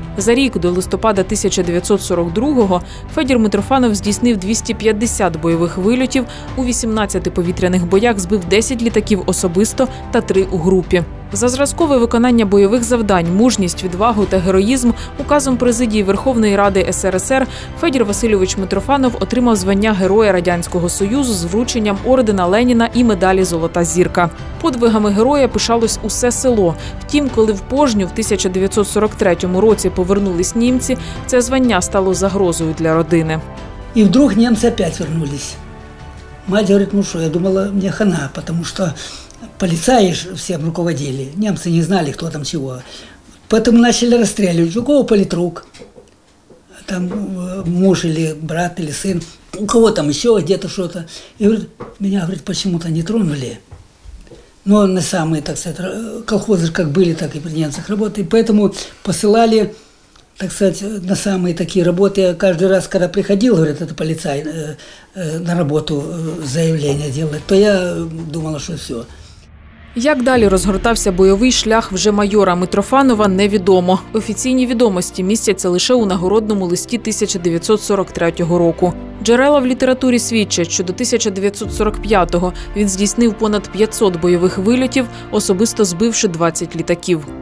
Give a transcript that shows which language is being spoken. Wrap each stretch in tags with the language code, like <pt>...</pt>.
<uk>За рік до листопада 1942-го Федір Митрофанов здійснив 250 бойових вильотів, у 18 повітряних боях збив 10 літаків особисто та 3 у групі. За зразкове виконання бойових завдань, мужність, відвагу та героїзм указом Президії Верховної Ради СРСР Федір Васильович Митрофанов отримав звання Героя Радянського Союзу з врученням ордена Леніна і медалі «Золота зірка». Подвигами героя пишалось усе село. Втім, коли в Пожню в 1943 році повернулись німці, це звання стало загрозою для родини. І вдруг німці опять вернулись. Мать говорить: «Ну що, я думала, мені хана, тому що поліцаї ж всім руководили. Німці не знали, хто там чого. Потім почали розстрілювати. У кого політрук?</uk> <ru>Там муж, или брат, или син. У кого там ще, где-то что-то».</ru> <uk>І мене,</uk> <ru>говорить, почему-то не тронули. Ну, не самые, так сказать, колхозы как были, так и при немцах работали. Поэтому посылали, так сказать, на самые такие работы. Я каждый раз, когда приходил, говорит, это полицай, на работу заявление делать, то я думала, что все.</ru> <uk>Як далі розгортався бойовий шлях вже майора Митрофанова, невідомо. Офіційні відомості містяться лише у нагородному листі 1943 року. Джерела в літературі свідчать, що до 1945-го він здійснив понад 500 бойових вильотів, особисто збивши 20 літаків.</uk>